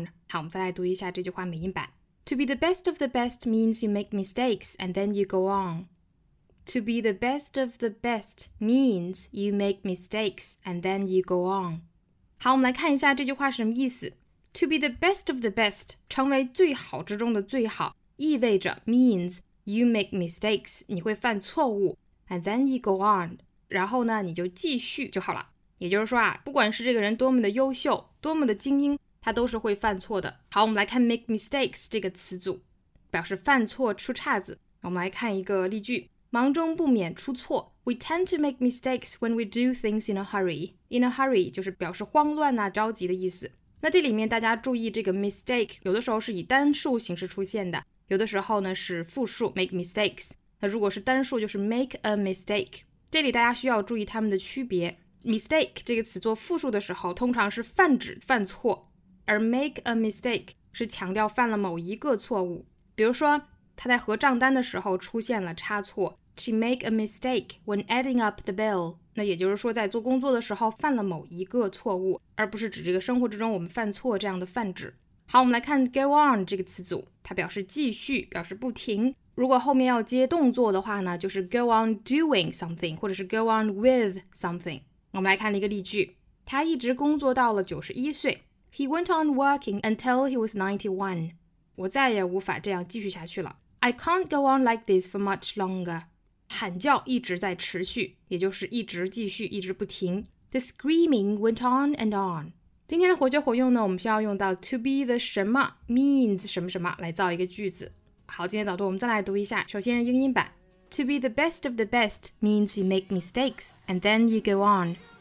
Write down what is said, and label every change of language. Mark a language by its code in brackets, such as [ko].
[zh] 好，我们再来读一下这句话美音版。 [en] To be the best of the best means you make mistakes and then you go onTo be the best of the best means you make mistakes and then you go on. [zh] 好，我们来看一下这句话什么意思。 [en] To be the best [zh] of the best, 成为最好之中的最好，意味着 [en] means you make mistakes, [zh] 你会犯错误， [en] and then you go on, [zh] 然后呢你就继续就好了。也就是说啊，不管是这个人多么的优秀，多么的精英，他都是会犯错的。好，我们来看 make mistakes 这个词组，表示犯错出岔子。我们来看一个例句。忙中不免出错。 [en] We tend to make mistakes when we do things in a hurry. [zh] In a hurry 就是表示慌乱啊，着急的意思。那这里面大家注意，这个 mistake 有的时候是以单数形式出现的，有的时候呢是复数 make mistakes。那如果是单数就是 make a mistake。这里大家需要注意它们的区别。 mistake 这个词做复数的时候通常是泛指犯错，而 make a mistake 是强调犯了某一个错误。比如说，他在核账单的时候出现了差错。 [en] She make a mistake when adding up the bill. [zh] 那也就是说在做工作的时候犯了某一个错误，而不是指这个生活之中我们犯错这样的泛指。好，我们来看 go on 这个词组，它表示继续，表示不停。如果后面要接动作的话呢，就是 go on doing something, 或者是 go on with something。我们来看一个例句，他一直工作到了91岁。 [en] He went on working until he was 91. [zh] 我再也无法这样继续下去了。 [en] I can't go on like this for much longer. [zh] 喊叫一直在持续，也就是一直继续，一直不停。 [en] The screaming went on and on. [zh] 今天的活学活用呢，我们需要用到 to be the 什么 means 什么什么来造一个句子。好，今天早读我们再来读一下。首先是英音版 [en] ，To be the best of the best means you make mistakes and then you go on.